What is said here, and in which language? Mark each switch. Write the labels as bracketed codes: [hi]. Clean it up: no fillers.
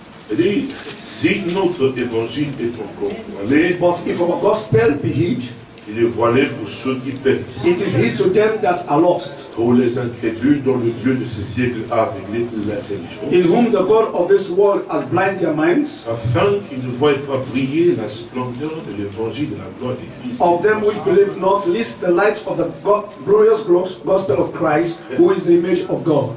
[fr] Il dit, si notre évangile est encore voilé, [en] but if our gospel be hid, [fr] il est voilé pour ceux qui perdent. [en] It is hid to them that are lost. [fr] Pour les incrédules dont le Dieu de ce siècle a aveuglé l'intelligence. [en] In whom the God of this world has blinded their minds. [fr] Afin qu'ils ne voient pas briller la splendeur de l'évangile de la gloire de Christ. [en] Of them which believe not, lest the light of the God, glorious gospel of Christ, who is the image of God.